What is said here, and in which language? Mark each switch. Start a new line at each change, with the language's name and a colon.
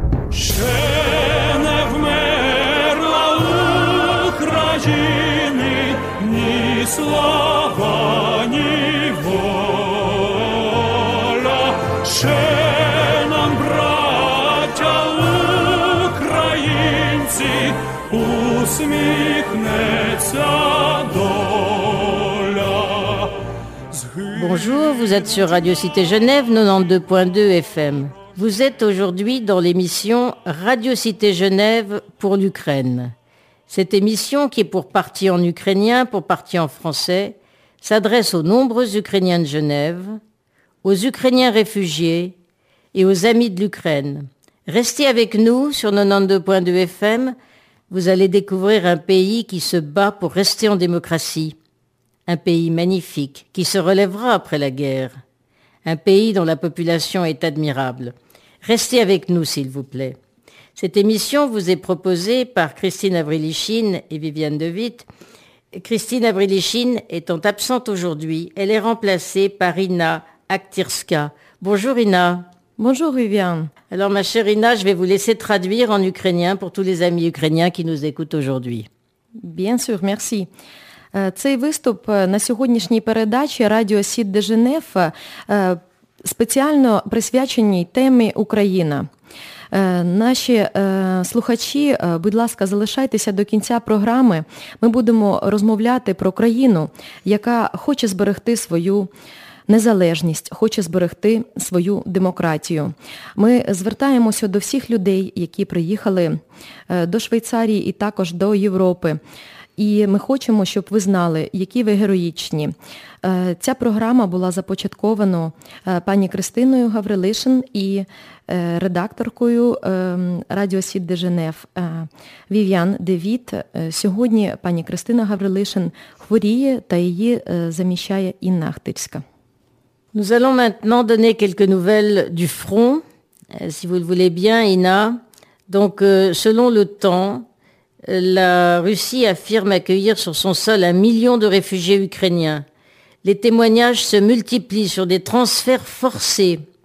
French: Genève, мерла Украины, ни слова, ни воля. Женам, братья украинцы, усмехнется доля. Бонjour, vous êtes sur Radio Cité Genève 92.2 FM. Vous êtes aujourd'hui dans l'émission Radio Cité Genève pour l'Ukraine. Cette émission, qui est pour partie en ukrainien, pour partie en français, s'adresse aux nombreux Ukrainiens de Genève, aux Ukrainiens réfugiés et aux amis de l'Ukraine. Restez avec nous sur 92.2 FM, vous allez découvrir un pays qui se bat pour rester en démocratie. Un pays magnifique qui se relèvera après la guerre. Un pays dont la population est admirable. Restez avec nous, s'il vous plaît. Cette émission vous est proposée par Christine Avrilichine et Viviane De Witt. Christine Avrilichine étant absente aujourd'hui, elle est remplacée par Ina Aktirska. Bonjour Ina. Bonjour Viviane. Alors ma chère Ina, je vais vous laisser traduire en ukrainien pour tous les amis ukrainiens qui nous écoutent aujourd'hui. Bien sûr, merci.
Ukrainian: Цей виступ на сьогоднішній передачі Радіо Сіт де Женев спеціально присвячений темі Україна. Наші слухачі, будь ласка, залишайтеся до кінця програми. Ми будемо розмовляти про країну, яка хоче зберегти свою незалежність, хоче зберегти свою демократію. Ми звертаємося до всіх людей, які приїхали до Швейцарії і також до Європи. І ми хочемо, щоб ви знали, які ви героїчні. Ця програма була започаткована пані Кристиною Гаврилишин і редакторкою Радіо Сіт де Женев Вів'ян Де Віт. Сьогодні пані Кристина Гаврилишин хворіє та її заміщає Інна Ахтирська.
French: Nous allons maintenant donner quelques nouvelles du front, si vous le voulez bien, Ina. Donc, selon le temps, la Russie affirme accueillir sur son sol 1 million de réfugiés ukrainiens. Les témoignages se multiplient sur des transferts forcés.